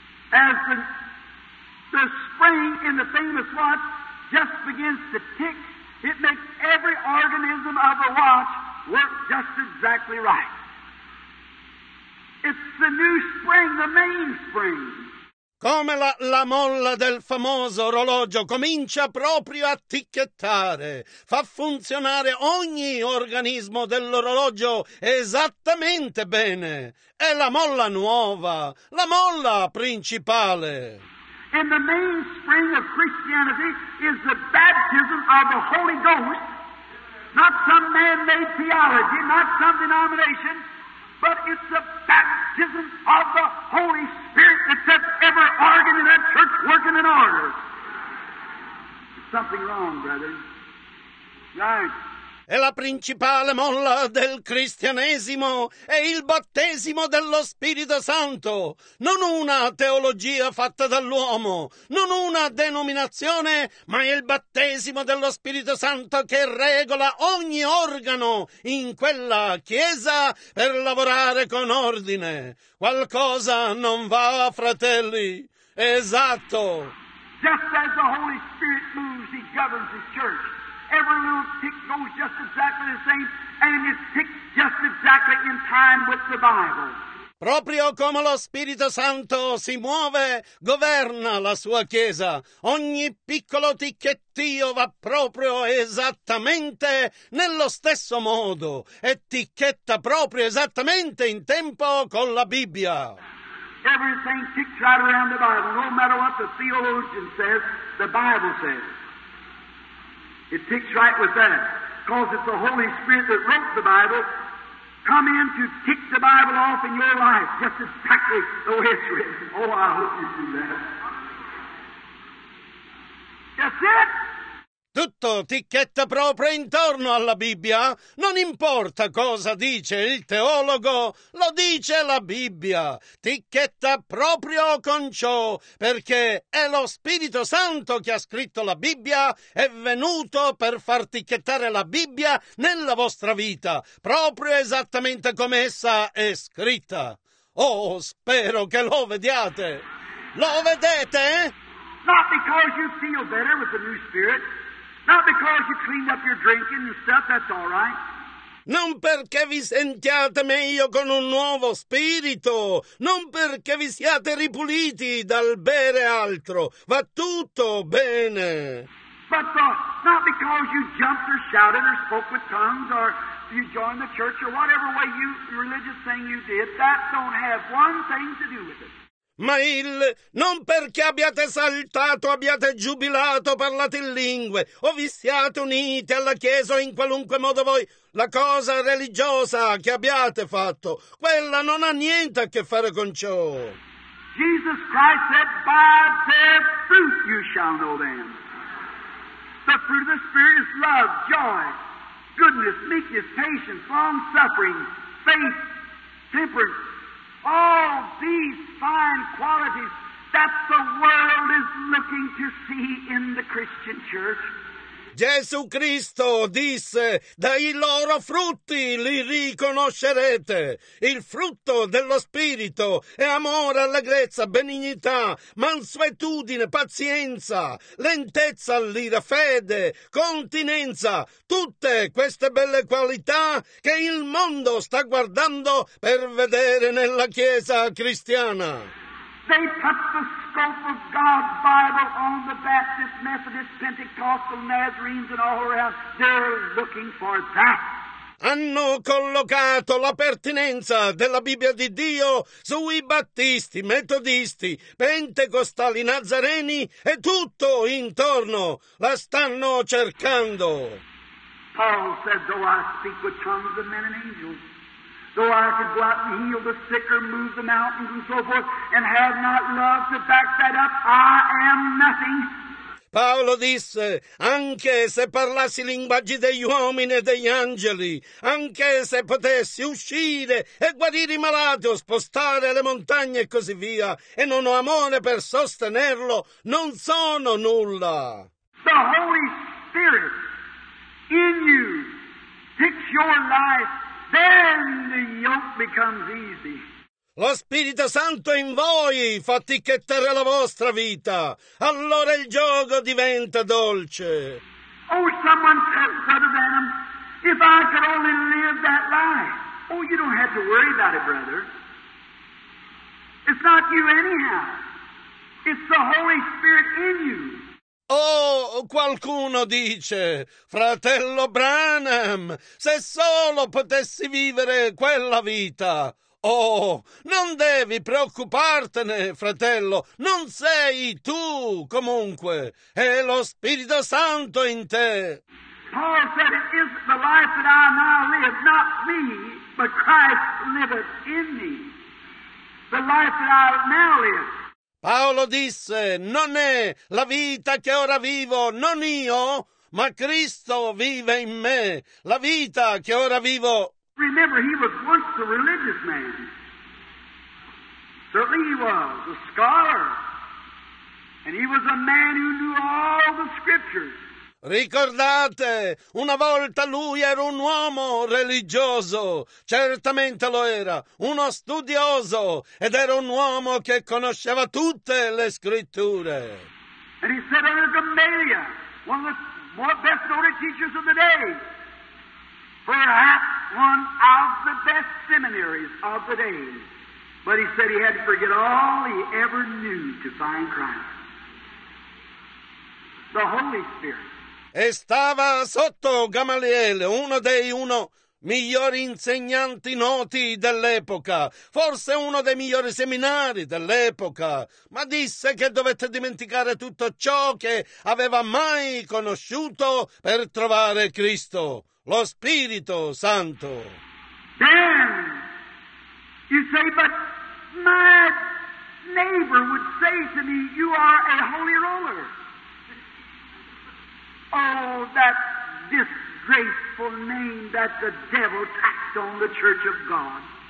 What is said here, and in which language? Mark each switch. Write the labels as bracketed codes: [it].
[en] As the spring in the famous watch just begins to tick, it makes every organism of the watch work just exactly right. It's the new spring, the mainspring. [it] Come la molla del famoso orologio comincia proprio a ticchettare, fa funzionare ogni organismo dell'orologio esattamente bene. È la molla nuova, la molla principale. [en] in the mainspring of Christianity is the baptism of the Holy Ghost, not some man-made theology, not some denomination, but it's the baptism of the Holy Spirit that sets every organ in that church working in order. There's something wrong, brother. [it] E la principale molla del cristianesimo è il battesimo dello Spirito Santo, non una teologia fatta dall'uomo, non una denominazione, ma il battesimo dello Spirito Santo che regola ogni organo in quella chiesa per lavorare con ordine. Qualcosa non va, fratelli. Esatto. [en] Just as the Holy Spirit moves, he governs the church. Every little tick goes just exactly the same, and it ticks just exactly in time with the Bible. [it] Proprio come lo Spirito Santo si muove, governa la sua Chiesa. Ogni piccolo ticchettio va proprio esattamente nello stesso modo. Etichetta proprio esattamente in tempo con la Bibbia. [en] Everything ticks right around the Bible, no matter what the theologian says, the Bible says. It ticks right with that, because it's the Holy Spirit that wrote the Bible, come in to tick the Bible off in your life, just exactly the way it's written. Oh, I hope you do that. That's it. [it] Tutto ticchetta proprio intorno alla Bibbia. Non importa cosa dice il teologo, lo dice la Bibbia. Ticchetta proprio con ciò, perché è lo Spirito Santo che ha scritto la Bibbia, è venuto per far ticchettare la Bibbia nella vostra vita, proprio esattamente come essa è scritta. Oh, spero che lo vediate. Lo vedete? [en] Not because you feel better with the new spirit. Not because you cleaned up your drinking and stuff, that's all right. [it] Non perché vi sentiate meglio con un nuovo spirito, non perché vi siate ripuliti dal bere altro, va tutto bene. [en] But not because you jumped or shouted or spoke with tongues or you joined the church or whatever way you religious thing you did, that don't have one thing to do with it. [it] Ma il non perché abbiate saltato, abbiate giubilato, parlate in lingue o vi siate uniti alla chiesa o in qualunque modo voi la cosa religiosa che abbiate fatto, quella non ha niente a che fare con ciò. [en] Jesus Christ said, by their fruit you shall know them. The fruit of the Spirit is love, joy, goodness, meekness, patience, long suffering, faith, temperance. All these fine qualities that the world is looking to see in the Christian church. [it] Gesù Cristo disse, dai loro frutti li riconoscerete. Il frutto dello Spirito è amore, allegrezza, benignità, mansuetudine, pazienza, lentezza all'ira, fede, continenza. Tutte queste belle qualità che il mondo sta guardando per vedere nella Chiesa cristiana. [en] They put the scope of God's Bible on the Baptist, Methodist, Pentecostal, Nazarenes and all around. They're looking for that. [it] Hanno collocato la pertinenza della Bibbia di Dio sui Battisti, Metodisti, Pentecostali, Nazareni e tutto intorno. La stanno cercando. [en] Paul said, though I speak with tongues of men and angels, though I could go out and heal the sick or move the mountains and so forth, and have not love to back that up, I am nothing. [it] Paolo disse, anche se parlassi linguaggi degli uomini e degli angeli, anche se potessi uscire e guarire i malati o spostare le montagne e così via, e non ho amore per sostenerlo, non sono nulla. [en] The Holy Spirit in you takes your life. Then the yoke becomes easy. [it] Lo Spirito Santo in voi fa ticchettare la vostra vita. Allora il giogo diventa dolce. [en] Oh, someone said, Brother Branham, if I could only live that life. Oh, you don't have to worry about it, brother. It's not you anyhow. It's the Holy Spirit in you. [it] Oh, qualcuno dice, fratello Branham, se solo potessi vivere quella vita, Oh, non devi preoccupartene, fratello, non sei tu, comunque, è lo Spirito Santo in te. [en] Paul said, it isn't the life that I now live, not me, but Christ liveth in me, the life that I now live. [it] Paolo disse, non è la vita che ora vivo, non io, ma Cristo vive in me, la vita che ora vivo. [en] Remember, he was once a religious man. Certainly he was, a scholar. And he was a man who knew all the scriptures. [it] Ricordate, una volta lui era un uomo religioso, certamente lo era, uno studioso, ed era un uomo che conosceva tutte le scritture. [en] And he said under Gamaliel, one of the more best noted teachers of the day, perhaps one of the best seminaries of the day, but he said he had to forget all he ever knew to find Christ, the Holy Spirit. [it] E stava sotto Gamaliel, uno dei migliori insegnanti noti dell'epoca, forse uno dei migliori seminari dell'epoca, ma disse che dovette dimenticare tutto ciò che aveva mai conosciuto per trovare Cristo, lo Spirito Santo. [en] Then you say, but my neighbor would say to me, you are a holy roller. Oh, that disgraceful name that the devil tacked on the church of God.